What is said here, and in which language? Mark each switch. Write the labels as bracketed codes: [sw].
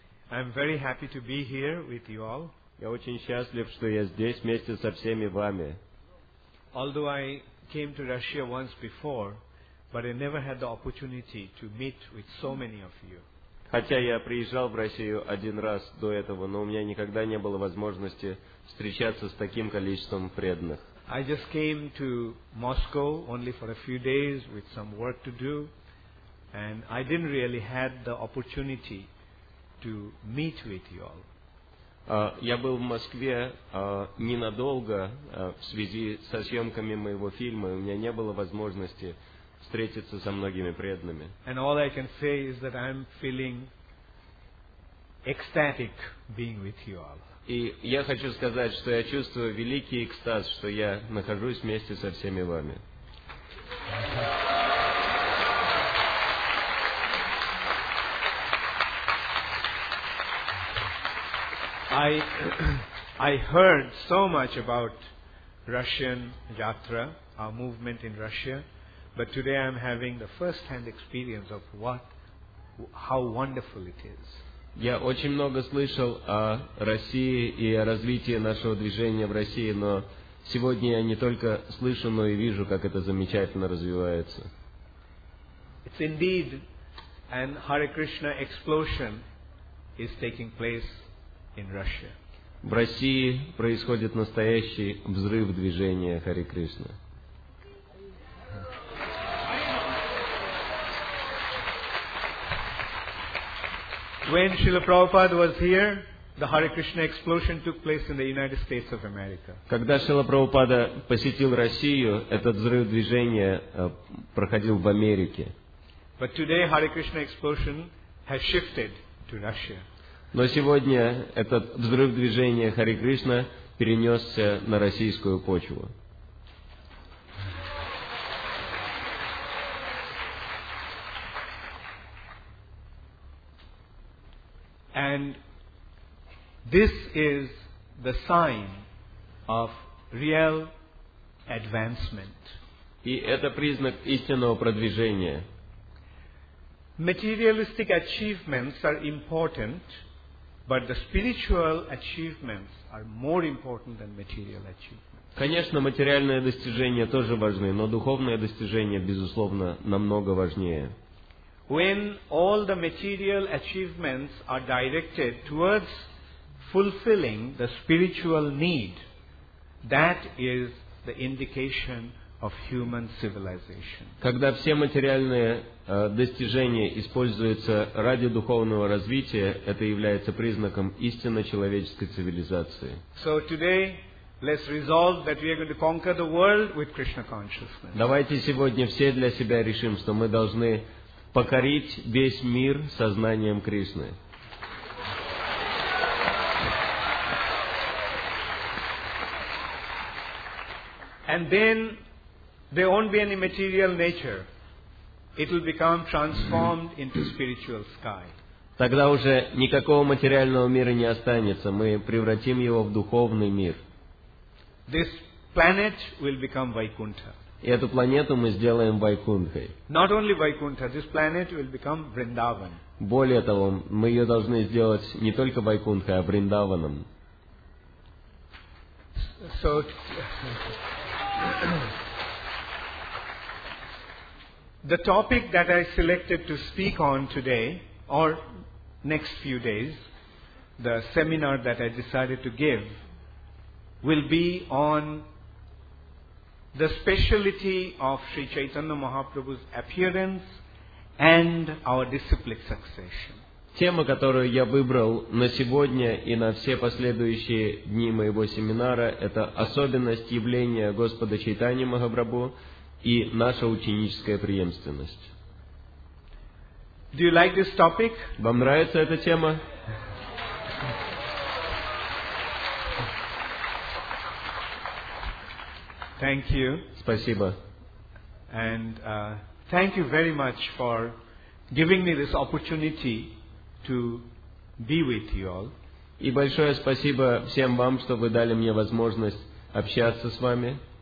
[en] I'm very happy to be here with you all. [ru] Я очень счастлив, что я здесь вместе со всеми вами. [en] Although I came to Russia once before, but I never had the opportunity to meet with so many of you. [ru] Хотя я приезжал в Россию один раз до этого, но у меня никогда не было возможности встречаться с таким количеством преданных. [en] I just came to Moscow only for a few days with some work to do, and I didn't really have the opportunity to meet with you all. [ru] Я был в Москве ненадолго в связи со съемками моего фильма, и у меня не было возможности встретиться со многими преданными. [en] And all I can say is that I'm feeling ecstatic being with you all. [ru] И я хочу сказать, что я чувствую великий экстаз, что я нахожусь вместе со всеми вами. [en] I heard so much about Russian Yatra, our movement in Russia, but today I'm having the first-hand experience of how wonderful it is. [ru] Я очень много слышал о России и о развитии нашего движения в России, но сегодня я не только слышу, но и вижу, как это замечательно развивается. [en] It's indeed an Hare Krishna explosion is taking place in Russia. [ru] В России происходит настоящий взрыв движения Hare Krishna. [en] When Srila Prabhupada was here, the Hare Krishna explosion took place in the United States of America. [ru] Когда Шрила Прабхупада посетил Россию, этот взрыв движения проходил в Америке. [en] But today Hare Krishna explosion has shifted to Russia. [ru] Но сегодня этот взрыв движения Hare Krishna перенесся на российскую почву. [en] And this is the sign of real advancement. [ru] И это признак истинного продвижения. [en] Materialistic achievements are important, but the spiritual achievements are more important than material achievements. [ru] Конечно, материальные достижения тоже важны, но духовные достижения, безусловно, намного важнее. [en] When all the material achievements are directed towards fulfilling the spiritual need, that is the indication of human civilization. [ru] Когда все материальные достижения используются ради духовного развития, это является признаком истинно человеческой цивилизации. [en] So today, let's resolve that we are going to conquer the world with Krishna consciousness. [ru] Давайте сегодня все для себя решим, что мы должны покорить весь мир сознанием Кришны. [en] And then there won't be any material nature. It will become transformed into spiritual sky. [ru] Тогда уже никакого материального мира не останется. Мы превратим его в духовный мир. [en] This planet will become Vaikuntha. [ru] И эту планету мы сделаем Вайкунтхой. [en] Not only Vaikuntha, this planet will become Vrindavan. [ru] Более того, мы ее должны сделать не только Вайкунтхой, а Вриндаваном. [en] So, the topic that I selected to speak on today, or next few days, the seminar that I decided to give, will be on the speciality of Sri Chaitanya Mahaprabhu's appearance and our disciplic succession. [ru] Тема, которую я выбрал на сегодня и на все последующие дни моего семинара, это особенность явления Господа Чайтаньи Махапрабху и наша ученическая преемственность. [en] Do you like this topic? [ru] Вам нравится эта тема? [en] Thank you. [ru] Спасибо. [en] And thank you very much for giving me this opportunity to be with you all. [ru] И большое спасибо всем вам, что вы дали мне возможность общаться с вами.